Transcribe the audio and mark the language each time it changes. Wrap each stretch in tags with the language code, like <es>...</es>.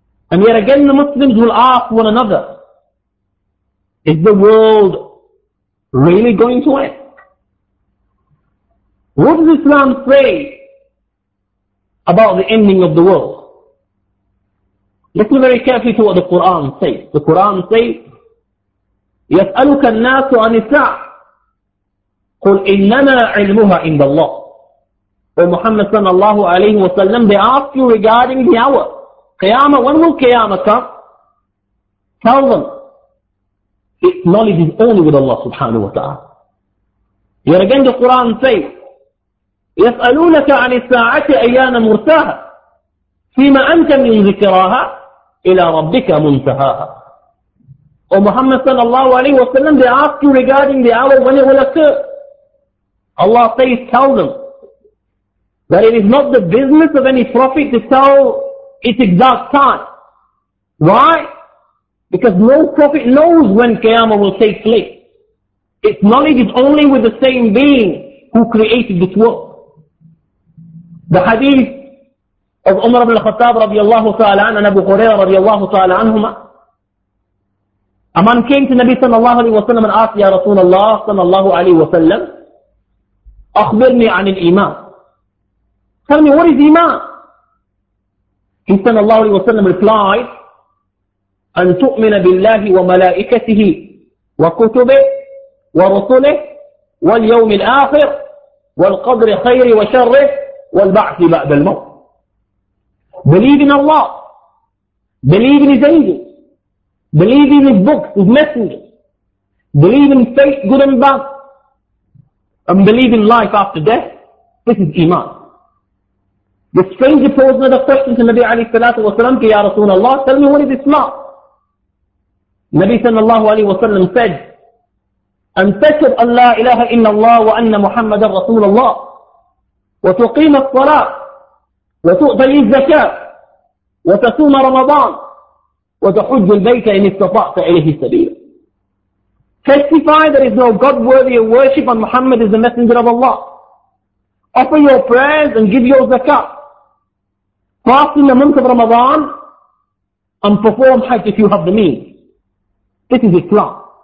<en>And yet again the Muslims will ask one another, is the world really going to end? What does Islam say about the ending of the world? Listen very carefully to what the Quran says. The Quran says,</en> <ar>يَسْأَلُكَ النَّاسُ عَنِ السَّاعَةِ قُلْ إِنَّمَا عِلْمُهَا عِنْدَ اللَّهِ.</ar> <en>O Muhammad sallallahu alayhi wa sallam, they ask you regarding the hour. Qiyamah, when will Qiyamah come? Tell them, its knowledge is only with Allah subhanahu wa ta'ala. Yet again the Quran says,</en> <ar>يَسْأَلُونَكَ عَنِ السَّاعَةِ أَيَّانَ مُرْسَاهَا فِيمَا أَنْتَ مِنْ ذِكِرَاهَا إِلَىٰ رَبِّكَ مُنْتَهَاهَا.</ar> <en>O Muhammad sallallahu alayhi wa sallam, they ask you regarding the hour when it will occur. Allah says, tell them that it is not the business of any prophet to tell its exact time. Why? Because no prophet knows when Qiyamah will take place. Its knowledge is only with the same being who created this world. The hadith of Umar ibn al-Khattab radiallahu ta'ala and Abu Hurairah radiallahu ta'ala anhumah. A man came to Nabi sallallahu alayhi wa sallam and asked, Ya Rasulullah sallallahu alayhi wa sallam,</en> <ar>أخبرني عن الإيمان.</ar> <en>Tell me, what is Iman? He said,</en> <ar>Allah عليه وسلم</ar> <en>replied,</en> <ar>أن تؤمن بالله وملائكته وكتبه ورسله واليوم الآخر والقدر خير وشره والبعث بعد الموت.</ar> <en>Believe in Allah. Believe in His angels. Believe in His books, His messengers. Believe in faith, good and bad. And believe in life after death. This is Iman. The stranger posed another question to Nabi alayhi salatu wa sallam, Ya Rasulullah, tell me what is Islam?</en> <ar>Nabi sallallahu alayhi wa sallam said, أن تشهد أن لا إله إلا الله وأن محمد رسول الله وتقيم الصلاة وتؤتي الزكاة وتصوم رمضان وتحج البيت إن استطعت إليه سبيلا.</ar> <en>Testify there is no God worthy of worship and Muhammad is the messenger of Allah. Offer your prayers and give your zakah. Fast in the month of Ramadan and perform hajj if you have the means. This is Islam.</en>